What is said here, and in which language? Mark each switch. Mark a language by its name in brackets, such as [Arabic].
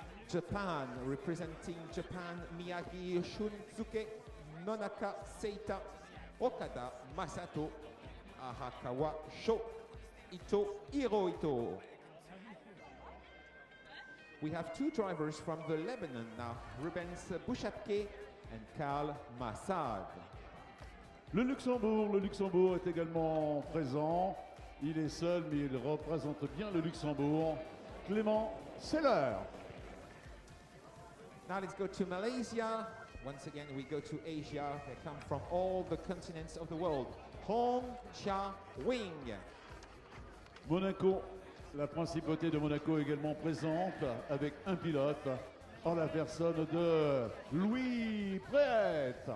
[English] Japan, representing Japan, Miyagi Shunsuke Nonaka Seita Okada Masato Arakawa Sho Ito Hirohito. We have two drivers from the Lebanon now, Rubens Bouchapke and Karl Massad. [French] Le Luxembourg est également présent. Il est seul, mais il représente bien le Luxembourg. Clément Seller. [English] Now let's go to Malaysia. Once again, we go to Asia. They come from all the continents of the world. Hong Cha Wing. Monaco. [French] La principauté de Monaco est également présente avec un pilote en la personne de Louis Prêt.